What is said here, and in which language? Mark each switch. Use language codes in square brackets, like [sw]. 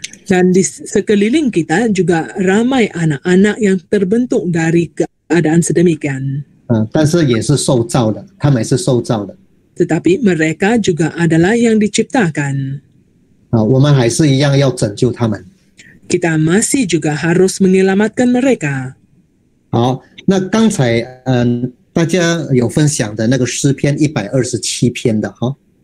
[ms] Dan di sekeliling kita juga ramai anak-anak yang terbentuk dari keadaan sedemikian. [zh] 但是也是受造的，他们也是受造的。 [ms] Tetapi mereka juga adalah yang diciptakan. [zh] 我们还是一样要拯救他们。 [ms] Kita masih juga harus menyelamatkan mereka. [zh] 好，那刚才大家有分享的那个诗篇127篇的哈。